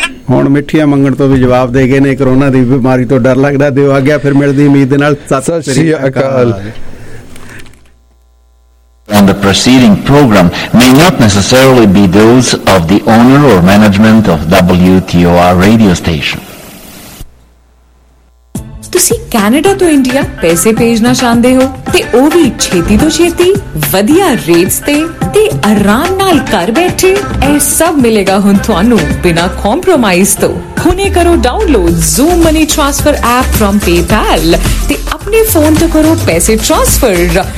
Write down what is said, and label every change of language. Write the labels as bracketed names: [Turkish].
[Punjabi] ਹੁਣ ਮਿੱਠੀਆਂ ਮੰਗਣ ਤੋਂ ਵੀ ਜਵਾਬ ਦੇ ਗਏ ਨੇ, ਕਰੋਨਾ ਦੀ ਬਿਮਾਰੀ ਤੋਂ ਡਰ ਲੱਗਦਾ, ਦਿਓ ਆ ਗਿਆ ਫਿਰ ਮਿਲਦੀ ਉਮੀਦ ਦੇ ਨਾਲ। ਸਤਿ ਸ੍ਰੀ ਅਕਾਲ। [English] On the preceding program may not necessarily be those of the owner or management of WTOR radio station. [Punjabi] ਤੁਸੀਂ ਕੈਨੇਡਾ ਤੋਂ ਇੰਡੀਆ ਪੈਸੇ ਭੇਜਣਾ ਚਾਹੁੰਦੇ ਹੋ ਤੇ ਉਹ ਵੀ ਛੇਤੀ ਤੋਂ ਛੇਤੀ ਵਧੀਆ ਰੇਟਸ ਤੇ ਆਰਾਮ ਨਾਲ ਘਰ ਬੈਠੇ? ਇਹ ਸਭ ਮਿਲੇਗਾ ਹੁਣ ਤੁਹਾਨੂੰ ਬਿਨਾਂ ਕੰਪਰੋਮਾਈਜ਼ ਤੋਂ। ਹੁਣੇ ਕਰੋ download zoom money transfer app from PayPal ਤੇ ਆਪਣੇ ਫੋਨ ਤੋਂ ਕਰੋ ਪੈਸੇ ਟ੍ਰਾਂਸਫਰ।